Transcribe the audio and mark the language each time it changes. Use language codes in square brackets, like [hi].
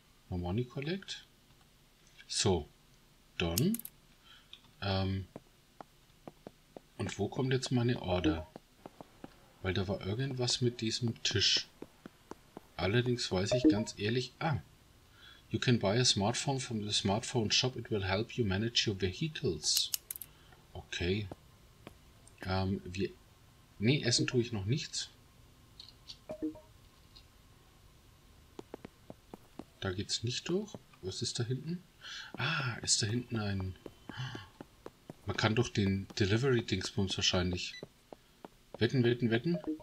[en] No Money Collect. So, done. [de] Und wo kommt jetzt meine Order? Weil da war irgendwas mit diesem Tisch. Allerdings weiß ich ganz ehrlich. [en] Ah, you can buy a smartphone from the smartphone shop. It will help you manage your vehicles. Okay. [de] Nee, essen tue ich noch nichts. Da geht's nicht durch. Was ist da hinten? Ah, ist da hinten ein. Man kann doch den Delivery-Dingsbums wahrscheinlich. Wetten.